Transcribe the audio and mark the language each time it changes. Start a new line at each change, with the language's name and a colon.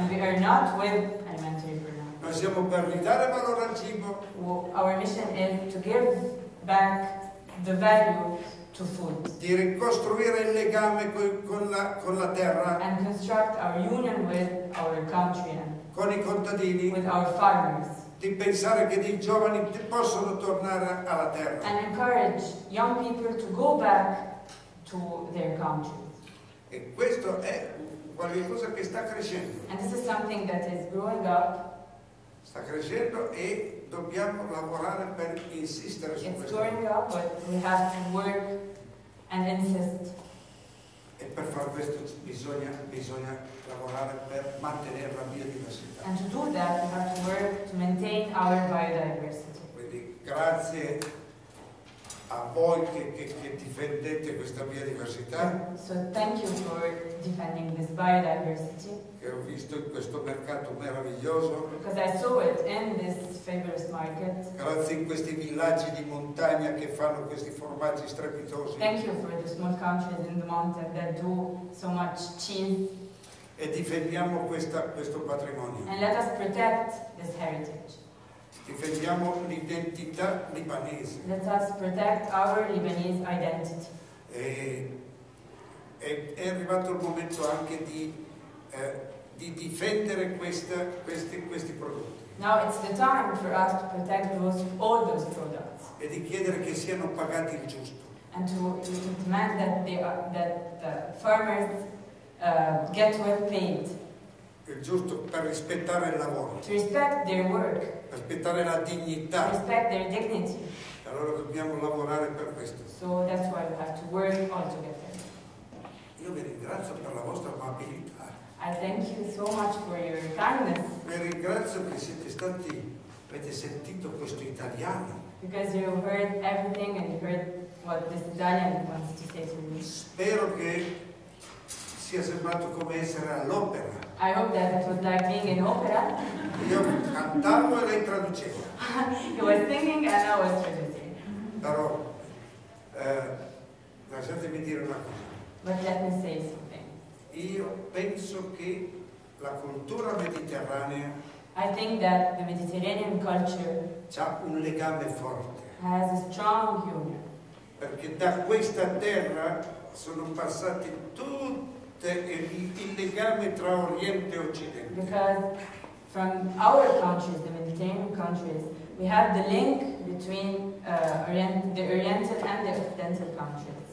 English: And we are not with alimentary pornography.
Italian: Noi siamo per ridare valore al cibo.
English: Our mission is to give back the value to food.
Italian: Di ricostruire il legame con la terra.
English: And construct our union with our country.
Italian: Con i contadini.
English: With our farmers.
Italian: Di pensare che dei giovani possono tornare alla terra.
English: And encourage young people to go back to their countries.
Italian: E questo è qualcosa che sta crescendo.
English: And this is something that is growing up.
Italian: Sta crescendo e dobbiamo lavorare per insistere su questo.
English: It's growing up, but we have to work and insist.
Italian: E per far questo bisogna lavorare per mantenere la biodiversità.
English: And to do that, we have to work to maintain our biodiversity.
Italian: Quindi grazie a voi che difendete questa biodiversità.
English: So thank you for defending this biodiversity.
Italian: Che ho visto in questo mercato meraviglioso.
English: Because I saw it in this fabulous market.
Italian: Grazie in questi villaggi di montagna che fanno questi formaggi strepitosi.
English: Thank you for the small countries in the mountain that do so much cheese.
Italian: E difendiamo questo patrimonio.
English: And let us protect this heritage.
Italian: Difendiamo l'identità libanese.
English: Let us protect our Lebanese identity.
Italian: È arrivato il momento anche di difendere questi prodotti.
English: Now it's the time for us to protect all those products.
Italian: E di chiedere che siano pagati il giusto.
English: And to demand that the farmers get well paid.
Italian: Il giusto per rispettare il lavoro.
English: To respect their work.
Italian: Rispettare la dignità.
English: Respect their dignity.
Italian: E allora dobbiamo lavorare per questo.
English: So that's why we have to work all together.
Italian: Io vi ringrazio per la vostra amabilità.
English: I thank you so much for your kindness.
Italian: Vi ringrazio che siete stati, avete sentito questo italiano.
English: Because you heard everything and you heard what this Italian wants to say to me.
Italian: Spero che sia sembrato come essere all'opera.
English: I hope that it was like being in opera.
Italian: Io cantavo e lei traduceva.
English: He was singing and I was traducing.
Italian: Però lasciatemi dire una cosa.
English: But let me say something.
Italian: Io penso che la cultura mediterranea.
English: I think that the Mediterranean culture
Italian: ha un legame forte.
English: Has a strong union.
Italian: Perché da questa terra sono passati tutte il legame tra Oriente e Occidente.
English: Because from our countries, the Mediterranean countries, we have the link between the Oriental and the Occidental countries.